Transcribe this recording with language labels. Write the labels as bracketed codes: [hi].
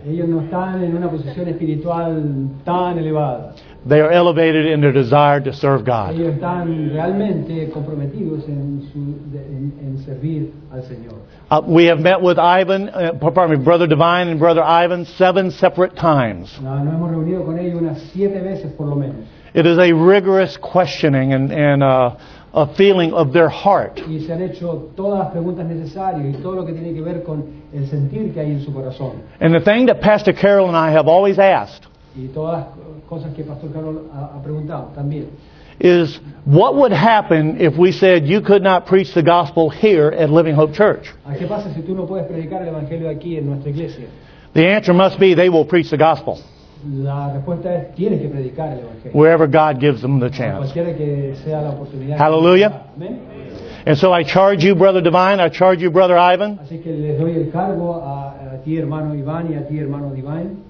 [es] Ellos no están en una posición espiritual tan elevada. [en] They are elevated in their desire to serve God. [es] Ellos están realmente comprometidos en servir al Señor. [en] We have met with Brother Divine and Brother Ivan 7 separate times. [es] Nos hemos reunido con ellos unas 7 veces por lo menos. [en] It is a rigorous questioning and a feeling of their heart. [es] Y se han hecho todas las preguntas necesarias y todo lo que tiene que ver con el sentir que hay en su corazón. [en] And the thing that Pastor Carol and I have always asked. [es] Y todas las cosas que Pastor Carol ha preguntado también. [en] Is what would happen if we said you could not preach the gospel here at Living Hope Church? [es] ¿Qué pasa si tú no puedes predicar el evangelio aquí en nuestra iglesia? [en] The answer must be they will preach the gospel. [es] La respuesta es tienes que predicar el evangelio. [en] Wherever God gives them the chance. [es] Cualquiera que sea la oportunidad. [en] Hallelujah. Amen. And so I charge you, Brother Divine. I charge you, Brother Ivan. [es] Así que les doy el cargo a ti, hermano Iván, y a ti, hermano Divine.